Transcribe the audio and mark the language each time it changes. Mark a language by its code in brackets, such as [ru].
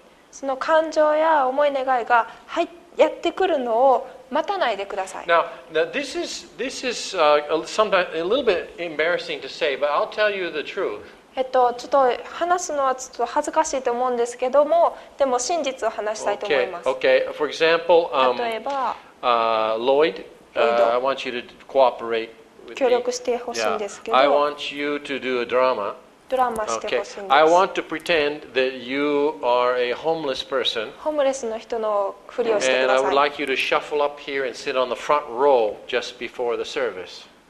[ja] その感情や思い願いがやってくるのを待たないでください。 [en] Now, this is sometimes a little bit embarrassing to say, but I'll tell you the truth. [ja] ちょっと話すのはちょっと恥ずかしいと思うんですけども、でも真実を話したいと思います。 [en] Okay, okay. For example, [ja] 例えば、 [en] Lloyd, I want you to cooperate with me. [ja] 協力してほしいんですけど。 [en] Yeah, I want you to do a drama. Okay. I want to pretend that you are a homeless person. [ja] ホームレスの人のふりをしてください。 [en] And I would like you to shuffle up here and sit on the front row just before the service.